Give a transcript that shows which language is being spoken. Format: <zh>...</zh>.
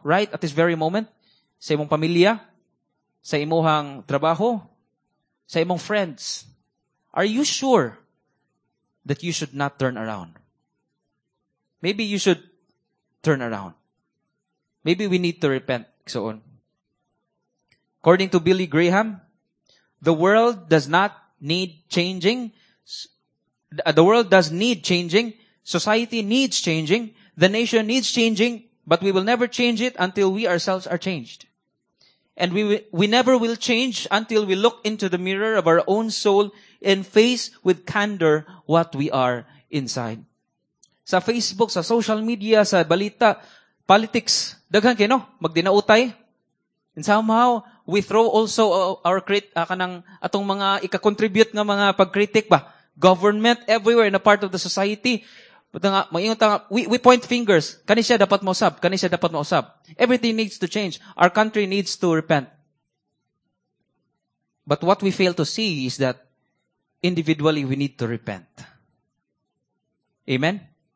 <en>Right at this very moment,</en> <ceb>sa imong pamilya, sa imong trabaho, sa imong friends.</ceb> <en>Are you sure that you should not turn around? Maybe you should turn around. Maybe we need to repent. So on. According to Billy Graham, the world does not need changing. The world does need changing. Society needs changing. The nation needs changing. But we will never change it until we ourselves are changed. And we never will change until we look into the mirror of our own soul and face with candor what we are inside.</en> <ceb>Sa Facebook, sa social media, sa balita, politics, daghan kayo, no? Magdinautay.</ceb> <en>And somehow, we throw also our</en> <ceb>kanang atong mga ika-contribute ng mga pag-critic ba?</ceb> <en>Government everywhere in a part of the society. We point fingers.</en> <ceb>Kanisya dapat mausab. Kanisya dapat mausab.</ceb> <en>Everything needs to change. Our country needs to repent. But what we fail to see is that individually we need to repent. Amen?</en>